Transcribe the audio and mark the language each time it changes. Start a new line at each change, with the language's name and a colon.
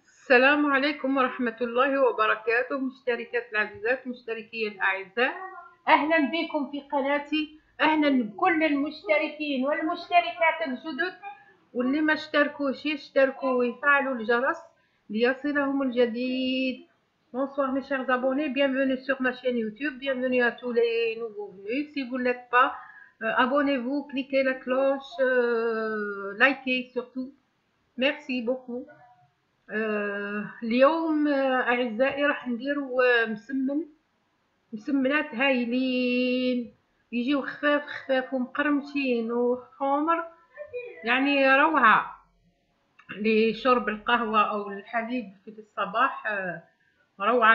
Arabic: السلام عليكم ورحمة الله وبركاته، مشتركات العزيزات، مشتركي الأعزاء، أهلا بكم في قناتي، أهلا بكل المشتركين والمشتركات الجدد، واللي ما اشتركوش يشتركوا ويفعلوا الجرس ليصلهم الجديد.
French: Bonsoir mes chers abonnés, bienvenue sur ma chaîne YouTube, bienvenue à tous les nouveaux venus. Si vous ne l'êtes pas, abonnez-vous, cliquez la cloche, likez surtout. Merci beaucoup.
Arabic: اليوم أعزائي راح نديرو مسمن، مسمنات هايلين، يجيو خفاف خفاف ومقرمشين وحمر، يعني روعة لشرب القهوة أو الحليب في الصباح، روعة.